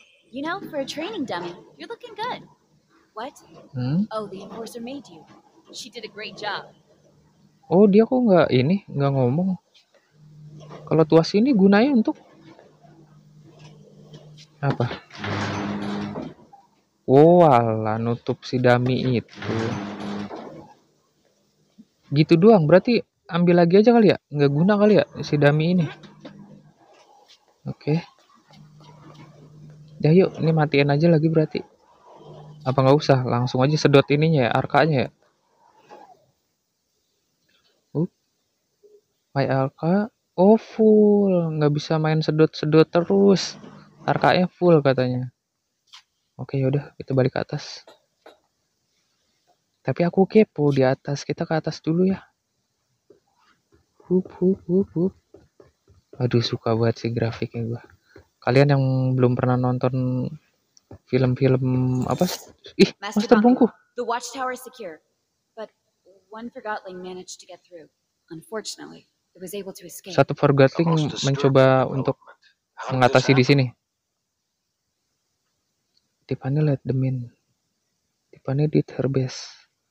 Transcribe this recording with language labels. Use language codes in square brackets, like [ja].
[en] You know, for a training dummy, you're looking good. What? Oh, the enforcer made you. She did a great job. [id] Oh dia kok nggak ini nggak ngomong. Kalau tuas ini gunanya untuk apa? Walah, nutup si dummy itu. Gitu doang. Berarti ambil lagi aja kali ya. Nggak guna kali ya si dummy ini. Oke. Ya yuk, ini matiin aja lagi berarti. Apa nggak usah? Langsung aja sedot ininya ya, arkanya ya. My arka, oh full, nggak bisa main sedot-sedot terus. Arkanya full katanya. Oke, yaudah kita balik ke atas. Tapi aku kepo di atas. Kita ke atas dulu ya. Hup, hup, hup, hup. Aduh, suka buat si grafiknya gua. Kalian yang belum pernah nonton film-film apa? Ih, Master Bungku. [en] The watchtower is secure, but one forgotling managed to get through. Unfortunately, it was able to escape. [id] Satu forgotling mencoba untuk mengatasi di sini. [en] Tipannya let them in. Tipannya did her best.